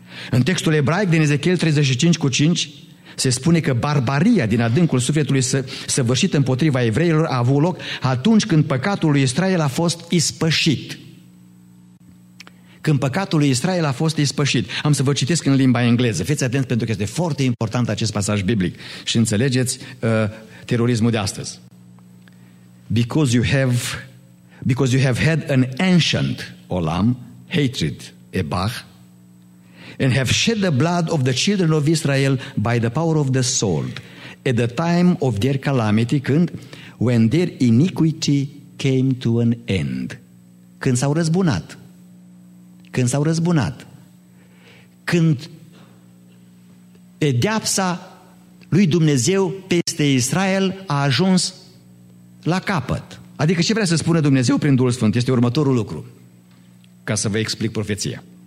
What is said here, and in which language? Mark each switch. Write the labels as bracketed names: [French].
[Romanian] În textul ebraic din Ezechiel 35:5 se spune că barbaria din adâncul sufletului săvârșit împotriva evreilor a avut loc atunci când păcatul lui Israel a fost ispășit. Când păcatul lui Israel a fost ispășit. Am să vă citesc în limba engleză. Fiți atenți pentru că este foarte important acest pasaj biblic și înțelegeți terorismul de astăzi. [English] Because you have had an ancient olam, hatred, ebah, and have shed the blood of the children of Israel by the power of the sword, at the time of their calamity, when their iniquity came to an end. [Romanian] Când s-au răzbunat. Când s-au răzbunat. Când pedeapsa lui Dumnezeu peste Israel a ajuns la capăt. Adică ce vrea să spună Dumnezeu prin Duhul Sfânt este următorul lucru, ca să vă explic profeția.